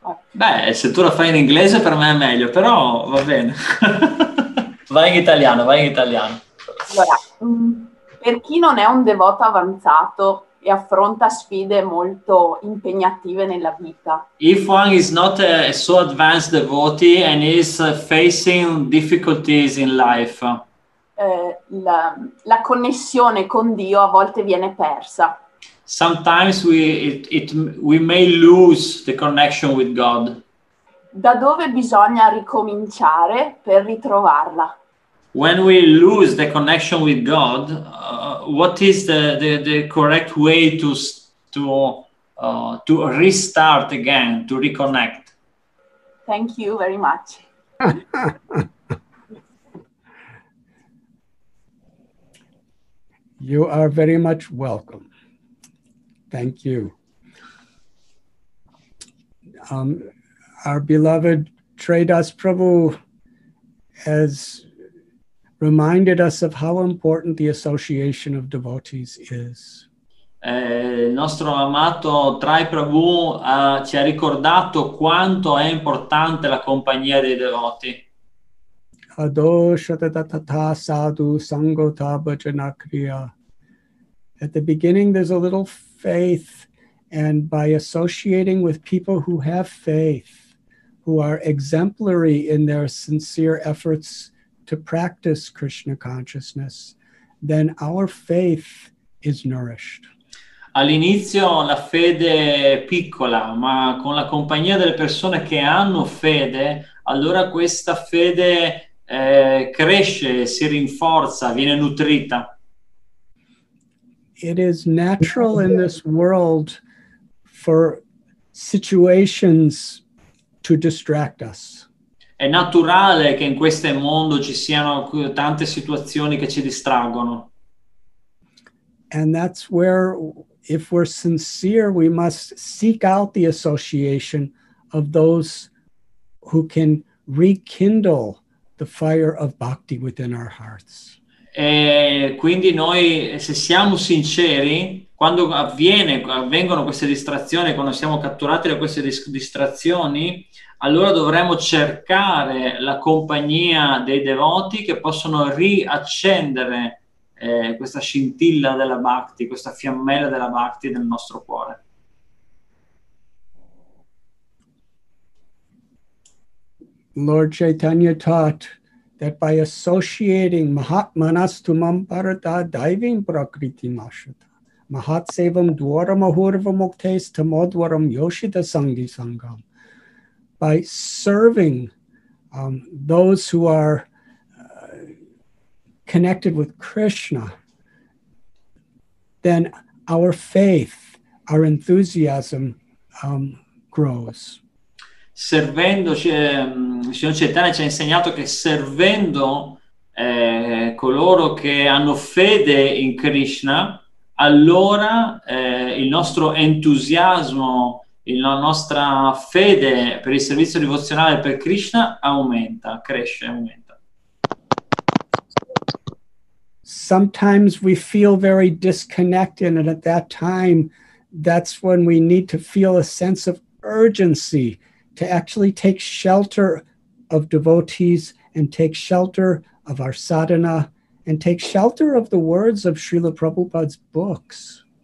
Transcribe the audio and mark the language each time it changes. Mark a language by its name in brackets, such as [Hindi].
[Italian] Beh, se tu la fai in inglese per me è meglio, però va bene. vai in italiano. Allora, per chi non è un devoto avanzato, e affronta sfide molto impegnative nella vita. [English] If one is not a so advanced devotee and is facing difficulties in life. [Italian] La connessione con Dio a volte viene persa. [English] Sometimes we may lose the connection with God. [Italian] Da dove bisogna ricominciare per ritrovarla? [English] When we lose the connection with God, what is the correct way to restart again, to reconnect? Thank you very much. You are very much welcome. Thank you. Our beloved Tridas Prabhu has reminded us of how important the association of devotees is. [Italian] Il nostro amato Trai Prabhu ci ha ricordato quanto è importante la compagnia dei devoti. [Sanskrit] Adoshatatata sadhu sangota bhajanakriya. [English] At the beginning there's a little faith, and by associating with people who have faith, who are exemplary in their sincere efforts to practice Krishna consciousness, then our faith is nourished. [Italian] All'inizio la fede è piccola, ma con la compagnia delle persone che hanno fede, allora questa fede cresce, si rinforza, viene nutrita. [English] It is natural in this world for situations to distract us. [Italian] È naturale che in questo mondo ci siano tante situazioni che ci distraggono. [English] And that's where, if we're sincere, we must seek out the association of those who can rekindle the fire of bhakti within our hearts. [Italian] E quindi noi, se siamo sinceri, quando avvengono queste distrazioni, quando siamo catturati da queste distrazioni, allora dovremmo cercare la compagnia dei devoti che possono riaccendere questa scintilla della Bhakti, questa fiammella della Bhakti nel nostro cuore. [English] Lord Chaitanya taught that by associating [Sanskrit] Mahatmanas to Mamparata, diving Prakriti Mashata, Mahatsevam Dwaram Ahurva Moktes Tamodwaram Yoshita Sanghi Sangam, [English] by serving those who are connected with Krishna, then our faith, our enthusiasm grows. [Italian] Servendoci, il signor Chaitanya ci ha insegnato che servendo coloro che hanno fede in Krishna, allora il nostro entusiasmo, la nostra fede per il servizio devozionale per Krishna aumenta, cresce, aumenta. [English] Sometimes we feel very disconnected, and at that time, that's when we need to feel a sense of urgency to actually take shelter of devotees and take shelter of our sadhana and take shelter of the words of Srila Prabhupada's books.